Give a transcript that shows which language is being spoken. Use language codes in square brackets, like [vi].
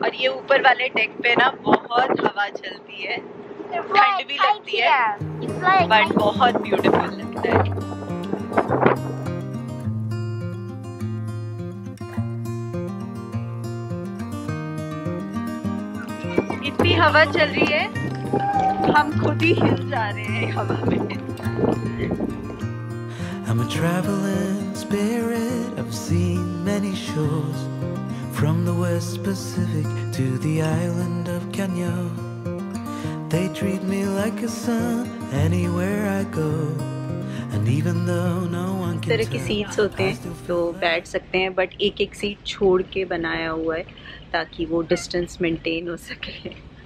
[hi] और ये ऊपर वाले डेक पे ना बहुत हवा चलती है, ठंड भी लगती है, बट बहुत ब्यूटीफुल लगता है। इतनी हवा चल रही है, हम खुद ही हिल जा रहे हैं हवा में। [en] I'm a traveling spirit, I've seen many shores, from the West Pacific to the island of Kenya. They treat me like a son anywhere I go, and even though no one can tell, [hi] seats होते हैं जो बैठ सकते हैं, but एक एक seat छोड़ के बनाया हुआ है ताकि वो डिस्टेंस मेंटेन हो सके।